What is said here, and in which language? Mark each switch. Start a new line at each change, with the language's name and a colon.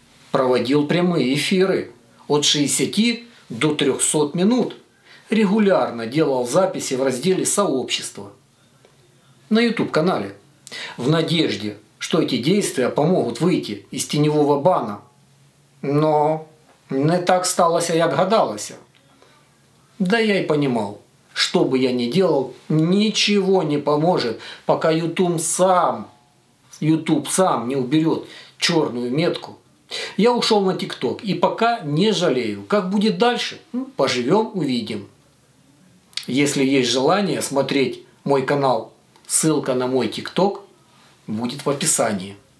Russian: Проводил прямые эфиры от 60 до 300 минут. Регулярно делал записи в разделе «Сообщество» на YouTube-канале, в надежде, что эти действия помогут выйти из теневого бана.
Ukrainian: Но не так сталося, як гадалося.
Russian: Да я и понимал, что бы я ни делал, ничего не поможет, пока YouTube сам не уберет черную метку. Я ушел на TikTok и пока не жалею. Как будет дальше? Поживем, увидим. Если есть желание смотреть мой канал, ссылка на мой TikTok будет в описании.